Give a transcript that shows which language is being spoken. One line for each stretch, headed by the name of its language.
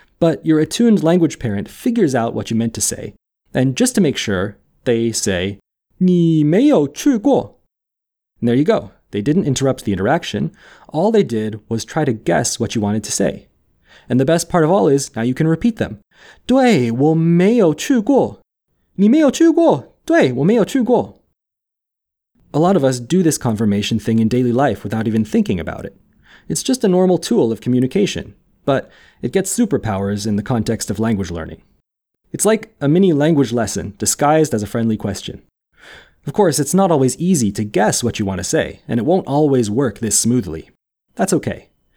English: But your attuned language parent figures out what you meant to say. And just to make sure, they say
Chinese: 你没有去过.
English: And there you go. They didn't interrupt the interaction. All they did was try to guess what you wanted to say. And the best part of all is, now you can repeat them.
Chinese: 对,我没有去过。你没有去过。对,我没有去过。
English: A lot of us do this confirmation thing in daily life without even thinking about it. It's just a normal tool of communication, but it gets superpowers in the context of language learning. It's like a mini language lesson disguised as a friendly question. Of course, it's not always easy to guess what you want to say, and it won't always work this smoothly. That's okay.